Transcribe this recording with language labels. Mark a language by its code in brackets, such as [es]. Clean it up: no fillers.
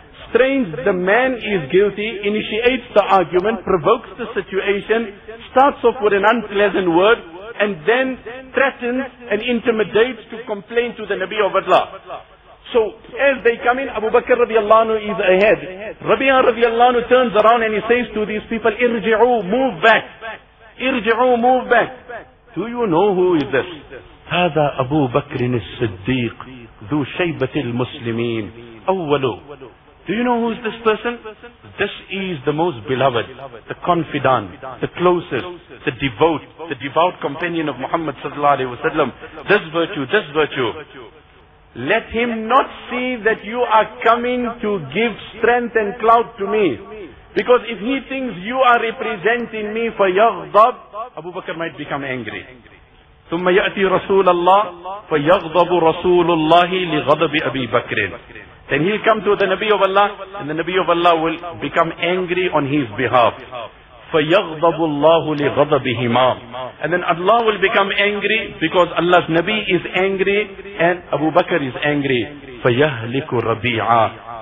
[en] Strange, the man is guilty, initiates the argument, provokes the situation, starts off with an unpleasant word, and then threatens and intimidates to complain to the Nabi of Allah. So as they come in, Abu Bakr radiallahu anhu is ahead. Rabi'ah radiallahu anhu turns around and he says to these people, irji'u, move back. Irji'u, move back. Do you know who is this? [ar] هذا أبو بكر الصديق ذو شيبة المسلمين أولو. [en] Do you know who is this person? This is the most beloved, the confidant, the closest, the devout companion of Muhammad sallallahu alaihi wasallam. This virtue. Let him not see that you are coming to give strength and clout to me. Because if he thinks you are representing me for yaghdab, Abu Bakr might become angry. [ar] ثم يأتي رسول الله فيغضب رسول الله لغضب أبي بكر. [en] Then he'll come to the Nabi of Allah, and the Nabi of Allah will become angry on his behalf. [ar] فيغضب الله لغضبهما. [en] And then Allah will become angry because Allah's Nabi is angry and Abu Bakr is angry. [ar] فيهلك ربيعة.